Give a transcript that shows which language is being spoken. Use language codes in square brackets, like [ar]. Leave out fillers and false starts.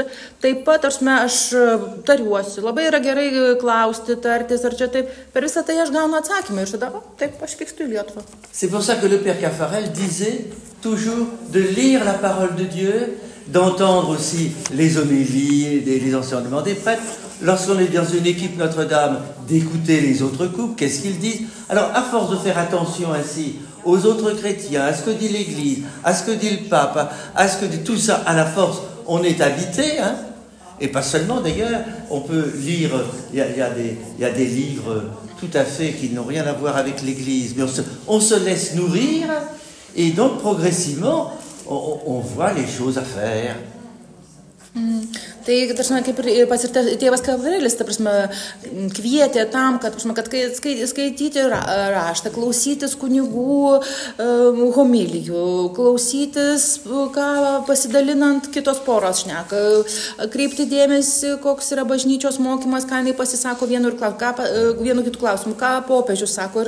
[lt] Ir taip pat, ta prasme, aš tariuosi, labai yra gerai klausti, tartis, ar čia taip, per visą tai aš gaunu atsakymą ir tada, taip, aš vykstu į Lietuvą. [fr] C'est pour ça que le père Caffarel disait toujours de lire la parole de Dieu, d'entendre aussi les homélies, les enseignements des prêtres. Lorsqu'on est dans une équipe Notre-Dame, d'écouter les autres couples, qu'est-ce qu'ils disent? Alors, à force de faire attention ainsi aux autres chrétiens, à ce que dit l'Église, à ce que dit le Pape, à ce que dit tout ça, à la force, on est habité, hein? Et pas seulement, d'ailleurs, on peut lire, il y a des livres tout à fait qui n'ont rien à voir avec l'Église, mais on se laisse nourrir. Et donc progressivement, on voit les choses à faire. [lt] Tai, tarsime, kaip ir pas ir tėvas Kavarelis, ta prasme, kvietė tam, kad, tarsime, kad skaityti raštą, klausytis kunigų homilijų, klausytis, ką pasidalinant kitos poros šneka, kreipti dėmesį, koks yra bažnyčios mokymas, ką jis pasisako vienu kitų klausimų, ką popiežius sako.